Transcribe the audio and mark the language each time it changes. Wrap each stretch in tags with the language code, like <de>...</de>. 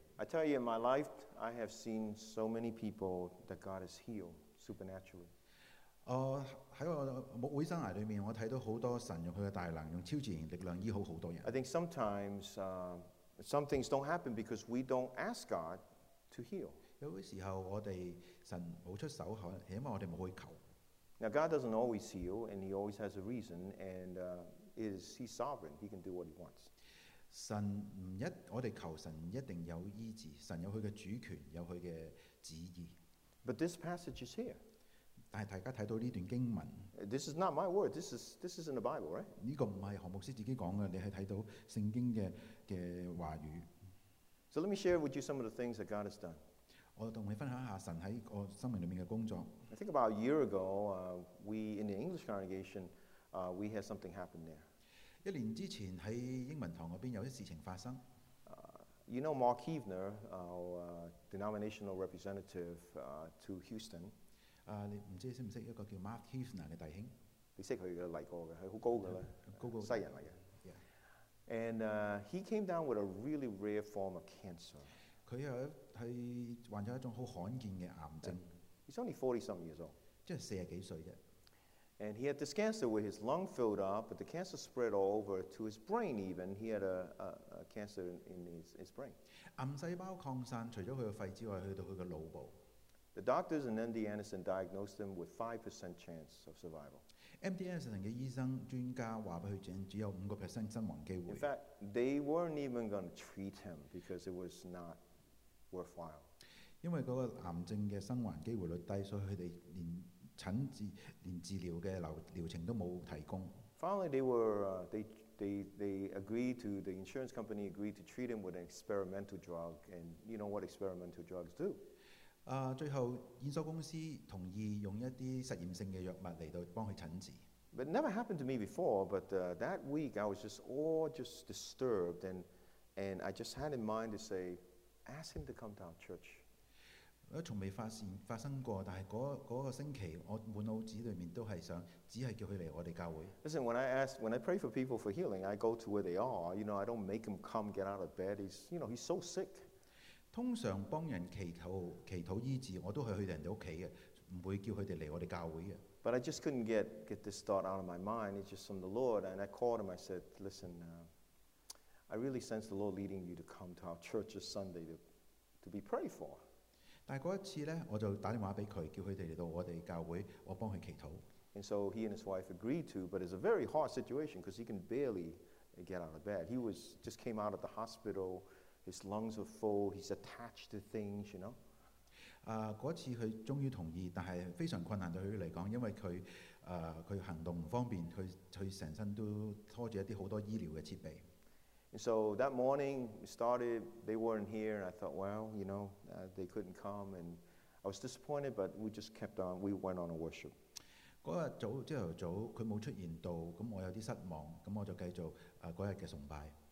<en>I tell you, in my life, I have seen so many people that God has healed supernaturally.</en> <yue>喺我牧會生涯裏面，我睇到好多神用佢嘅大能，用超自然力量醫好好多人。</yue> <en>I think sometimes some things don't happen because we don't ask God to heal.</en> <yue>有啲時候我哋神冇出手，係因為我哋冇去求。</yue> <en>Now God doesn't always heal, and He always has a reason, and He's sovereign. He can do what He wants.</en> <yue>神唔一，我哋求神一定有医治。神有佢嘅主权，有佢嘅旨意。</yue> <en>But this passage is here.</en> <yue>但系大家睇到呢段经文。</yue> <en>This is not my word. This is in the Bible, right?</en> <yue>呢个唔系何牧师自己讲嘅，你系睇到圣经嘅话语。</yue> <en>So let me share with you some of the things that God has done.</en> <yue>我同你分享一下神喺我生命里面嘅工作。</yue> <en>I think about a year ago, we in the English congregation, we had something happen there.</en> <yue>一年之前喺英文堂嗰边有啲事情发生。</yue> <en>You know Mark Heavener, our denominational representative to Houston.</en> <yue>你唔知识唔识一个叫 Mark Heavener 嘅弟兄？你识佢嘅嚟过嘅，系好高嘅啦，高高西人嚟嘅。</yue> <en>Yeah. And he came down with a really rare form of cancer.</en> <yue>佢系患咗一种好罕见嘅癌症。</yue> <en>He's only 40-something years old.</en> <yue>即係四十幾歲啫。</yue> <en>And he had this cancer where his lung filled up, but the cancer spread all over to his brain even. He had a cancer in his brain.</en> <yue>癌細胞擴散除咗佢嘅肺之外，去到佢嘅腦部。</yue> <en>The doctors in MD Anderson diagnosed him with 5% chance of survival.</en> <yue>MD Anderson 嘅醫生專家話俾佢聽，只有5% 生亡機會。</yue> <en>In fact, they weren't even going to treat him because it was not worthwhile.</en> <yue>因為嗰個癌症嘅生還機會率低，所以佢哋連診治、連治療嘅療程都冇提供。</yue> <en>Finally, they agreed to the insurance company agreed to treat him with an experimental drug, and you know what experimental drugs do?</en> <yue>最後醫生公司同意用一啲實驗性嘅藥物嚟到幫佢診治。</yue> <en>But never happened to me before. But that week I was just disturbed, and I just had in mind to say, ask him to come to our church.</en> <yue>我從未發生過，但係嗰個星期，我滿腦子裡面都係想，只係叫佢嚟我哋教會。</yue> <en>Listen, when I pray for people for healing, I go to where they are. You know, I don't make them come get out of bed. He's so sick.</en> <yue>通常幫人祈禱醫治，我都係去人哋屋企嘅，唔會叫佢哋嚟我哋教會嘅。</yue> <en>But I just couldn't get this thought out of my mind. It's just from the Lord, and I called him. I said, "Listen, I really sense the Lord leading you to come to our church this Sunday to be prayed for."</en> <yue>但嗰一次咧，我就打電話俾佢，叫佢哋嚟到我哋教會，我幫佢祈禱。</yue> <en>And so he and his wife agreed to, but it's a very hard situation because he can barely get out of bed. He was just came out of the hospital. His lungs were full. He's attached to things, you know.</en> <yue>嗰次佢終於同意，但係非常困難對佢嚟講，因為佢佢行動唔方便，佢成身都拖住一啲好多醫療嘅設備。</yue> <en>And so that morning we started, they weren't here, and I thought, well, you know, they couldn't come, and I was disappointed, but we just kept on, we went on a worship.</en> <yue>嗰日早朝頭早佢冇出現到，咁我有啲失望，咁我就繼續嗰日嘅崇拜。</yue>